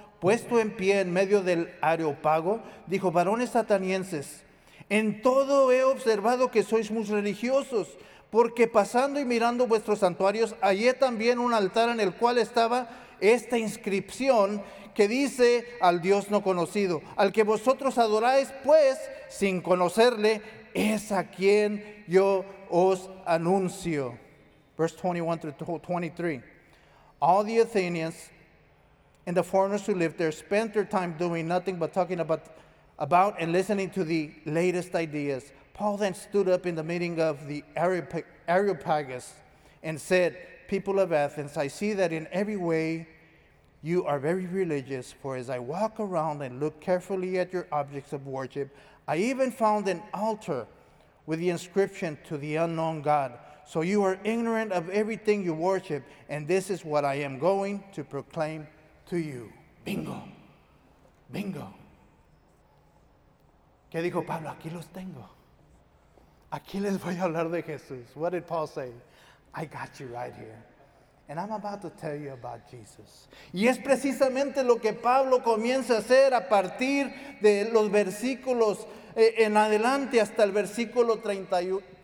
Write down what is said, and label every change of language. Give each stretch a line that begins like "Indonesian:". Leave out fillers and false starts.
Spanish: puesto en pie en medio del Areópago, dijo: varones atenienses, en todo he observado que sois muy religiosos, porque pasando y mirando vuestros santuarios, hallé también un altar en el cual estaba esta inscripción que dice: al Dios no conocido, al que vosotros adoráis, pues, sin conocerle, es a quien yo os anuncio.
English: Verse 21 through 23. All the Athenians and the foreigners who lived there spent their time doing nothing but talking about and listening to the latest ideas. Paul then stood up in the meeting of the Areopagus and said, people of Athens, I see that in every way you are very religious, for as I walk around and look carefully at your objects of worship, I even found an altar with the inscription to the unknown God. So you are ignorant of everything you worship, and this is what I am going to proclaim to you. Bingo. Bingo.
Spanish: ¿Qué dijo Pablo? Aquí los tengo. Aquí les voy a hablar de Jesús.
English: What did Paul say? I got you right here. And I'm about to tell you about Jesus.
Spanish: Y es precisamente lo que Pablo comienza a hacer a partir de los versículos en adelante hasta el versículo 31.